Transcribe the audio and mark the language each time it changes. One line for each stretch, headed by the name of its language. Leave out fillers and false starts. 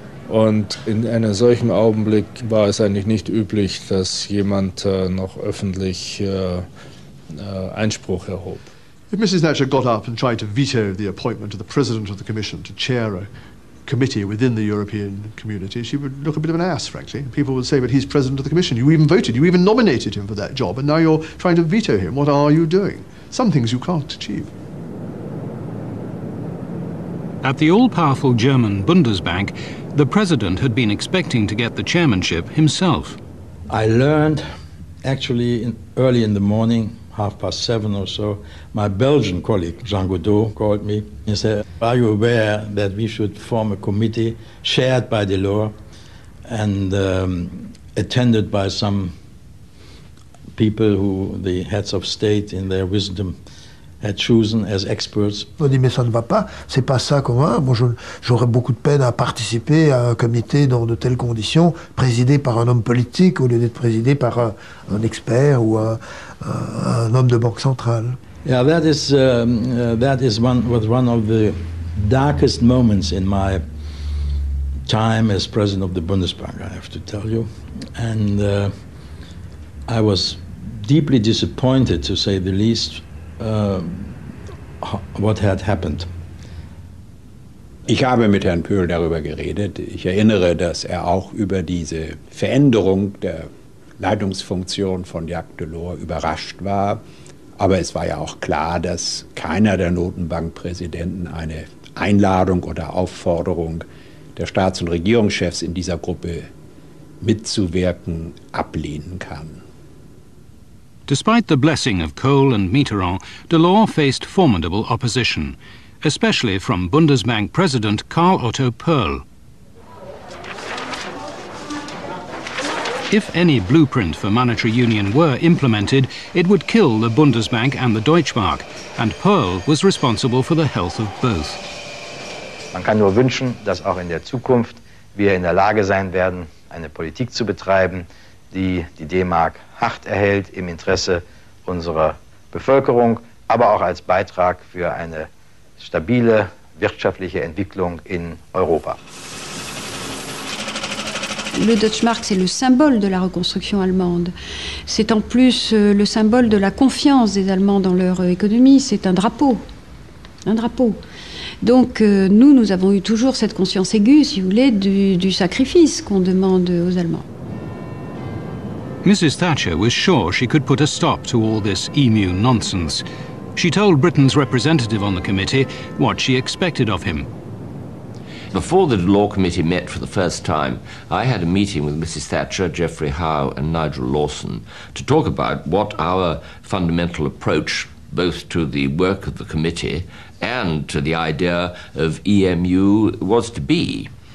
German: Und in einem solchen Augenblick war es eigentlich nicht üblich, dass jemand noch öffentlich Einspruch erhob.
English: If Mrs. Thatcher got up and tried to veto the appointment of the President of the Commission to chair a committee within the European community, she would look a bit of an ass, frankly. People would say, but he's President of the Commission. You even voted, you even nominated him for that job, and now you're trying to veto him. What are you doing? Some things you can't achieve. At the all-powerful German Bundesbank, the president had been expecting to get the chairmanship himself. I learned, actually, early in the morning, 7:30 or so, my Belgian colleague, Jean Godot, called me and said, are you aware that we should form a committee chaired by Delors and attended by some people who the heads of state in their wisdom had chosen as experts.
French: On dit, mais ça ne va pas, c'est pas ça qu'on va. Moi, j'aurais beaucoup de peine à participer à un comité dans de telles conditions, présidé par un homme politique au lieu d'être présidé par un expert ou un homme de banque centrale.
English: Yeah, that was one of the darkest moments in my time as president of the Bundesbank, I have to tell you. And I was deeply disappointed, to say the least, what had happened.
German: Ich habe mit Herrn Pöhl darüber geredet. Ich erinnere, dass er auch über diese Veränderung der Leitungsfunktion von Jacques Delors überrascht war. Aber es war ja auch klar, dass keiner der Notenbankpräsidenten eine Einladung oder Aufforderung der Staats- und Regierungschefs in dieser Gruppe mitzuwirken ablehnen kann.
English: Despite the blessing of Kohl and Mitterrand, Delors faced formidable opposition, especially from Bundesbank President Karl Otto Perl. If any blueprint for monetary union were implemented, it would kill the Bundesbank and the Deutsche Mark, and Perl was responsible for the health of both.
German: Man kann nur wünschen, dass auch in der Zukunft wir in der Lage sein werden, eine Politik zu betreiben, die die D-Mark hart erhält im Interesse unserer Bevölkerung, aber auch als Beitrag für eine stabile wirtschaftliche Entwicklung in Europa.
French: Le Deutsche Mark, c'est le symbole de la reconstruction allemande. C'est en plus le symbole de la confiance des Allemands dans leur économie. C'est un drapeau. Un drapeau. Donc nous, nous avons eu toujours cette conscience aiguë, si vous voulez, du sacrifice qu'on demande aux Allemands.
English: Mrs. Thatcher was sure she could put a stop to all this emu nonsense. She told Britain's representative on the committee what she expected of him. Before the Delors Committee met for the first time, I had a meeting with Mrs. Thatcher, Geoffrey Howe and Nigel Lawson to talk about what our fundamental approach, both to the work of the committee and to the idea of EMU, was to be.